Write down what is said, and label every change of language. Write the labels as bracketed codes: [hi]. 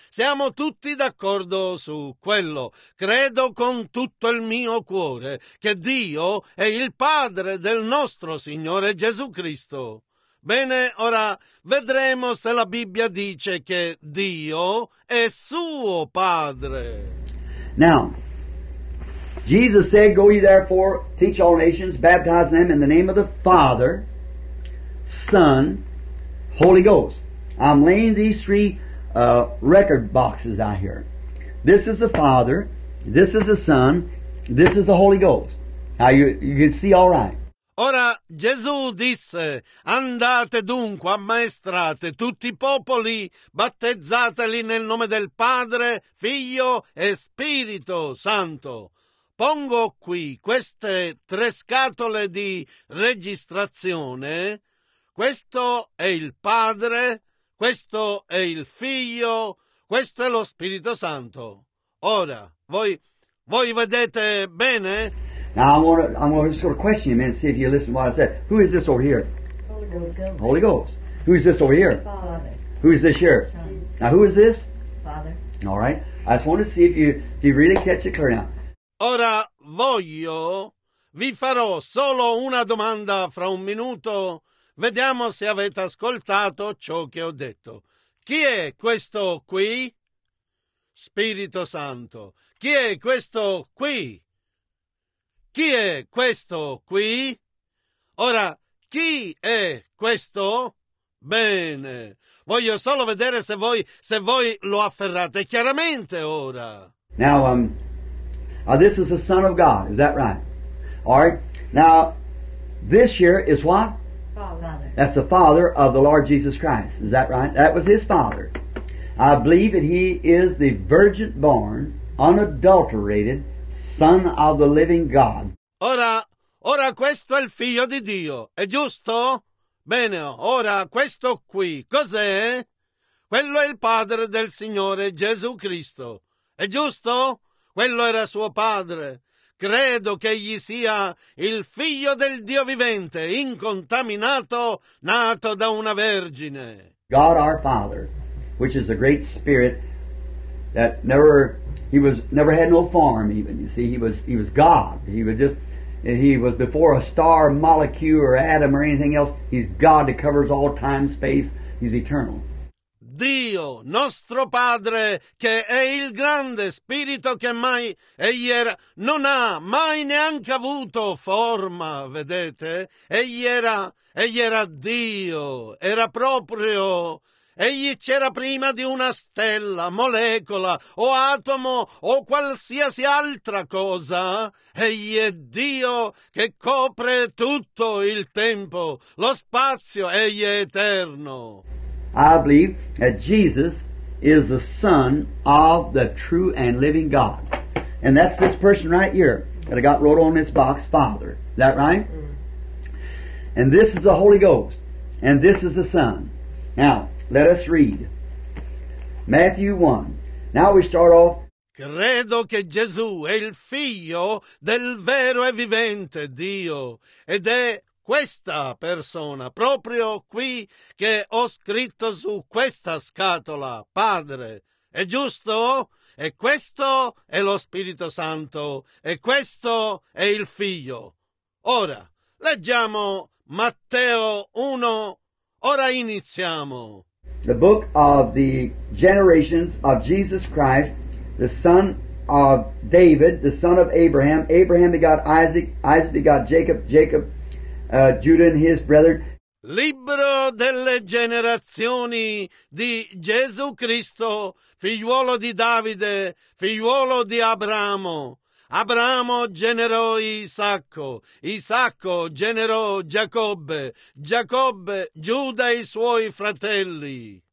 [it] Siamo tutti d'accordo su quello. Credo con tutto il mio cuore che Dio è il padre del nostro Signore Gesù Cristo. Bene, ora vedremo se la Bibbia dice che Dio è suo padre. [en] Now, Jesus said, go ye therefore, teach all nations, baptize them in the name of the Father, Son, Holy Ghost. I'm laying these three record boxes out here. This is the Father, this is the Son, this is the Holy Ghost. Now you can see all right. [it] Ora Gesù disse, andate dunque, ammaestrate tutti i popoli, battezzateli nel nome del Padre, Figlio e Spirito Santo. Pongo qui queste tre scatole di registrazione. Questo è il Padre, questo è il Figlio, questo è lo Spirito Santo. Ora, voi vedete bene? [en] Now I'm going to sort of question you a minute and see if you listen to what I said. Who is this over here? Holy Ghost. Holy Ghost. Who is this over here? Father. Who is this here? Son. Now who is this? Father. All right. I just want to see if you really catch it clear now. [it] Ora voglio, vi farò solo una domanda fra un minuto. Vediamo se avete ascoltato ciò che ho detto. Chi è questo qui? Spirito Santo. Chi è questo qui? Chi è questo qui? Ora, chi è questo? Bene. Voglio solo vedere se voi lo afferrate chiaramente ora. [en] Now, this is the Son of God. Is that right? All right. Now, this here is what? Father. That's the Father of the Lord Jesus Christ. Is that right? That was His Father. I believe that He is the virgin-born, unadulterated Son of the living God. [it] Ora questo è il Figlio di Dio, è giusto? Bene, ora questo qui, cos'è? Quello è il Padre del Signore Gesù Cristo, è giusto? Quello era suo Padre. Credo che egli sia il Figlio del Dio vivente, incontaminato, nato da una vergine. [en] God our Father, which is the great Spirit that never... He was never had no form even, you see. He was God. He was before a star, molecule, or atom, or anything else. He's God that covers all time, space. He's eternal. [it] Dio, nostro Padre, che è il grande spirito che mai egli era, non ha mai neanche avuto forma, vedete? Egli era Dio, era proprio... Egli c'era prima di una stella, molecola, o atomo, o qualsiasi altra cosa. Egli è Dio che copre tutto il tempo, lo spazio, egli è eterno. [en] I believe that Jesus is the Son of the true and living God. And that's this person right here that I got wrote on this box, Father. Is that right? And this is the Holy Ghost. And this is the Son. Now, let us read Matthew 1. Now we start off. [it] Credo che Gesù è il Figlio del vero e vivente Dio. Ed è questa persona, proprio qui, che ho scritto su questa scatola, Padre. È giusto? E questo è lo Spirito Santo. E questo è il Figlio. Ora, leggiamo Matteo 1. Ora iniziamo. [en] The book of the generations of Jesus Christ, the son of David, the son of Abraham. Abraham begot Isaac, Isaac begot Jacob, Jacob, Judah and his brethren. [it] Libro delle generazioni di Gesù Cristo, figliuolo di Davide, figliuolo di Abramo. Abramo generò Isacco, Isacco generò Giacobbe, Giacobbe, Giuda e i suoi fratelli.